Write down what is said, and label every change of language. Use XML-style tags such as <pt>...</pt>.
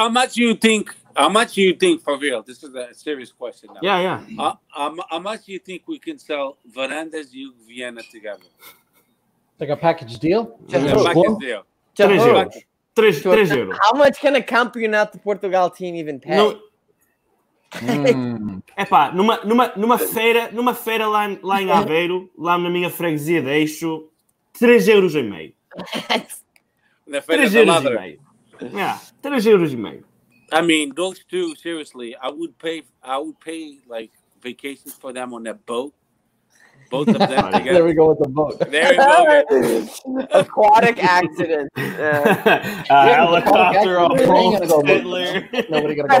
<en>How much you think? How much you think for real? This is a serious question. Now. Yeah, yeah. How much you think we can sell Verandas, you Vienna together? Like a package deal? Three euros. How much can a Campeonato Portugal team even pay? No.</en> <pt>Epá, numa feira lá em Aveiro, lá na minha freguesia, deixo 3,5 euros. Na feira 3,5 euros.</pt> <en>Yeah, 3,5 euros. I mean, those two, seriously, I would pay like vacations for them on that boat. Both of them together. There we go with the boat. There we go. Aquatic accident. Helicopter on</en>